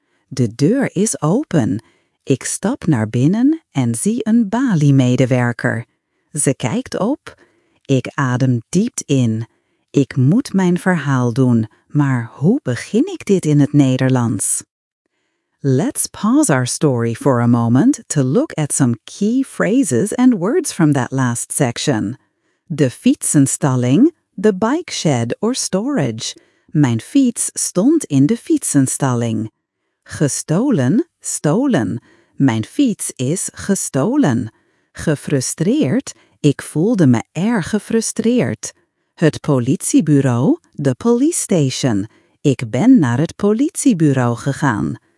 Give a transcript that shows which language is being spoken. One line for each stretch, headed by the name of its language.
Dutch: De deur is open. Ik stap naar binnen en zie een baliemedewerker. Ze kijkt op. Ik adem diep in. Ik moet mijn verhaal doen, maar hoe begin ik dit in het Nederlands?
English: Let's pause our story for a moment to look at some key phrases and words from that last section.
Dutch: De fietsenstalling,
English: the bike shed or storage.
Dutch: Mijn fiets stond in de fietsenstalling. Gestolen, stolen. Mijn fiets is gestolen. Gefrustreerd, ik voelde me erg gefrustreerd. Het politiebureau,
English: the police station.
Dutch: Ik ben naar het politiebureau gegaan.